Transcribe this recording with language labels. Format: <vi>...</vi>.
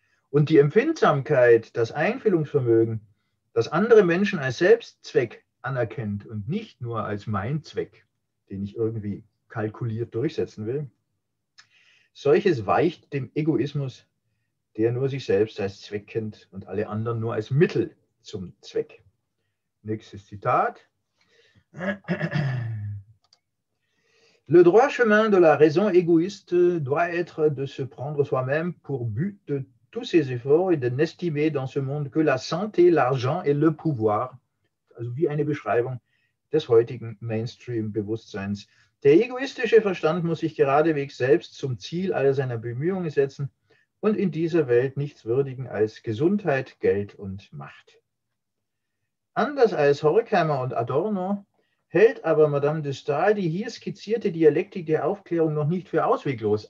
<de>Und die Empfindsamkeit, das Einfühlungsvermögen, das andere Menschen als Selbstzweck anerkennt und nicht nur als mein Zweck, den ich irgendwie kalkuliert durchsetzen will, solches weicht dem Egoismus, der nur sich selbst als Zweck kennt und alle anderen nur als Mittel zum Zweck. Nächstes Zitat.</de> <fr>Le droit chemin de la raison égoïste doit être de se prendre soi-même pour but de tous ses efforts et de n'estimer dans ce monde que la santé, l'argent et le pouvoir.</fr> <de>Also wie eine Beschreibung des heutigen Mainstream-Bewusstseins. Der egoistische Verstand muss sich geradewegs selbst zum Ziel aller seiner Bemühungen setzen und in dieser Welt nichts würdigen als Gesundheit, Geld und Macht. Anders als Horkheimer und Adorno hält aber Madame de Staël die hier skizzierte Dialektik der Aufklärung noch nicht für ausweglos.</de>